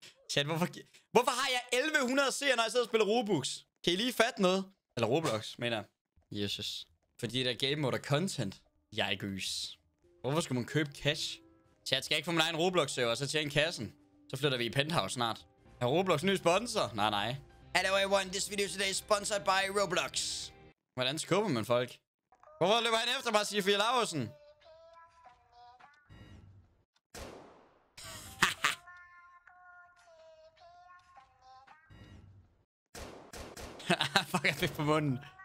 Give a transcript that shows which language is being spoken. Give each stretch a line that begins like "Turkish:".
Danish: Chat, hvorfor har jeg 1100 seere, når jeg sidder og spiller Robux? Kan I lige fatte noget? Eller Roblox, mener jeg. Jesus. Fordi der er game mode og content. Jeg er gys. Hvorfor skal man købe cash? Chat, skal jeg ikke få min egen Roblox-server, så tjene kassen? Så flytter vi i penthouse snart. Er Roblox ny sponsor? Nej.
English: Hello everyone, this video today is sponsored by Roblox.
Danish: Hvordan skubber man folk? Hvorfor løber han efter mig, siger Fie Larsen? Fuck, jeg fik på munden.